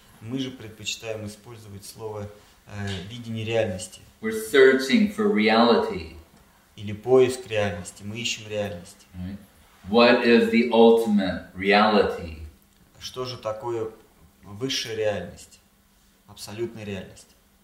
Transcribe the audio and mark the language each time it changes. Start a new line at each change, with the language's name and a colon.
Russian: Мы же предпочитаем использовать слово видение реальности.
English: We're searching for reality.
Russian: Или поиск реальности. Мы ищем реальность.
English: Right. What is the ultimate reality?
Russian: Что же такое высшая реальность? Абсолютная реальность.